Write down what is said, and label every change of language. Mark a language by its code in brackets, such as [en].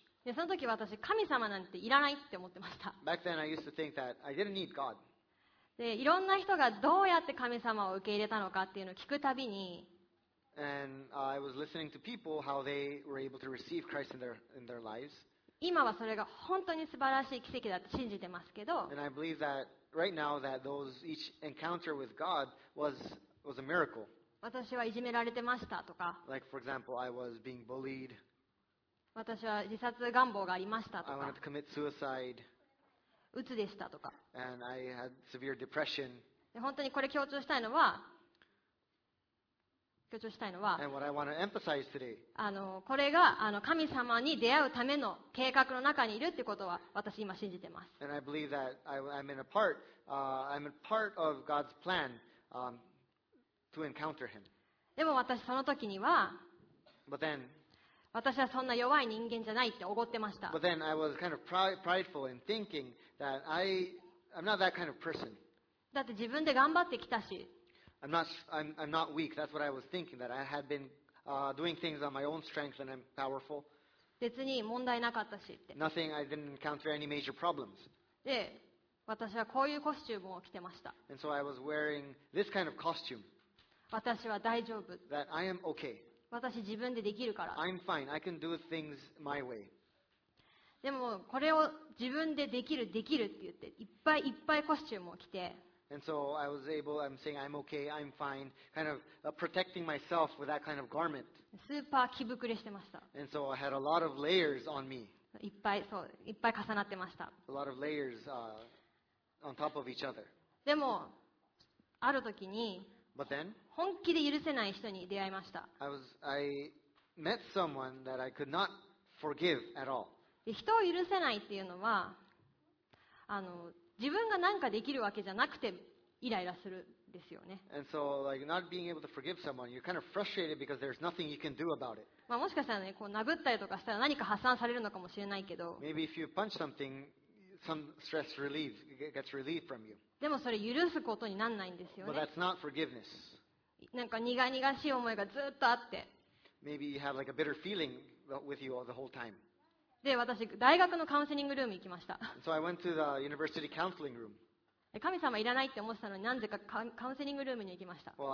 [ja] でその時私神様なんていらないって思ってました。 [en] Back then I used to think that I didn't need God. [ja] でいろんな人がどうやって神様を受け入れたのかっていうのを聞くたびに。 [en] And I was listening to people how they were able to receive Christ in their lives. [ja] 今はそれが本当に素晴らしい奇跡だと信じてますけど。 [en] And I believe that right now that those each encounter with God was a miracle. [ja] 私はいじめられてましたとか。 [en] Like for example, I was being bullied. [ja] 私は自殺願望がありましたとか。 [en] I wanted to commit suicide. [ja] うつでしたとか。 [en] And I had severe depression. [ja] 本当にこれ強調したいのは。強調したいのは、 [en] And what I want to emphasize today. [ja] これが神様に出会うための計画の中にいるってことは私今信じてます。 [en] And I believe that I'm in a part, I'm a part of God's plan, to encounter Him. [ja] でも私その時には、 [en] But then, [ja] 私はそんな弱い人間じゃないって奢ってました。 [en] But then I was kind of prideful in thinking that I'm not that kind of person. [ja] だって自分で頑張ってきたし。 [en] I'm not weak. That's what I was thinking. That I had been doing things on my own strength and I'm powerful. [ja] 別に問題なかったしって。 [en] Nothing. I didn't encounter any major problems. [ja] で、私はこういうコスチュームを着てました。 [en] And so I was wearing this kind of costume. [ja] 私は大丈夫。 [en] That I am okay. [ja] 私自分でできるから。 [en] I'm fine. I can do things my way. [ja] でもこれを自分でできるできるって言っていっぱいいっぱいコスチュームを着て。 [en] And so I was able, I'm saying I'm okay, I'm fine, kind of protecting myself with that kind of garment. [ja] スーパー着ぶくれしてました。 [en] And so I had a lot of layers on me. [ja] いっぱい重なってました。 [en] A lot of layers on top of each other. [ja] でも、ある時に、 [en] But then, [ja] 本気で許せない人に出会いました。 [en] I met someone that I could not forgive at all. [ja] 人を許せないっていうのは、自分が何かできるわけじゃなくてイライラするんですよね。 [en] And so, like, not being able to forgive someone, you're kind of frustrated because there's nothing you can do about it. [ja] まあもしかしたらね、こう殴ったりとかしたら何か発散されるのかもしれないけど。 [en] Maybe if you punch something, some stress relieves, gets relieved from you. [ja] でもそれ許すことにならないんですよね。 [en] But that's not forgiveness. [ja] なんか苦々しい思いがずっとあって。 [en] Maybe you have like a bitter feeling with you the whole time. [ja] で私大学のカウンセリングルーム行きました。 [en] So I went to the university counseling room. [ja] 神様いらないって思ってたのに、何故かカウンセリングルームに行きました。